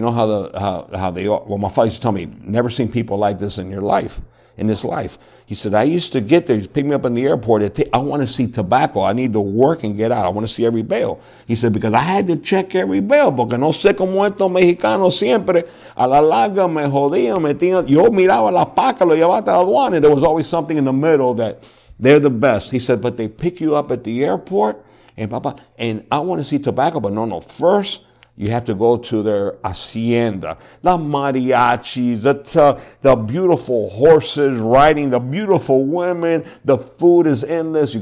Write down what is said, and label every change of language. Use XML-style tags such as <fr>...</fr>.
<en>You know how they are. Well, my father used to tell me, never seen people like this in your life, in this life. He said, I used to get there. He'd pick me up in the airport. I want to see tobacco. I need to work and get out. I want to see every bale. He said, because I had to check every bale.</en> <es>Porque no sé cómo estos mexicanos siempre. A la larga me jodían. Yo miraba la paca, lo llevaba hasta la aduana.</es> <en>And there was always something in the middle that they're the best. He said, but they pick you up at the airport. And Papa, and I want to see tobacco, but no. First, you have to go to their hacienda. The mariachis, the beautiful horses riding, the beautiful women, the food is endless.</en>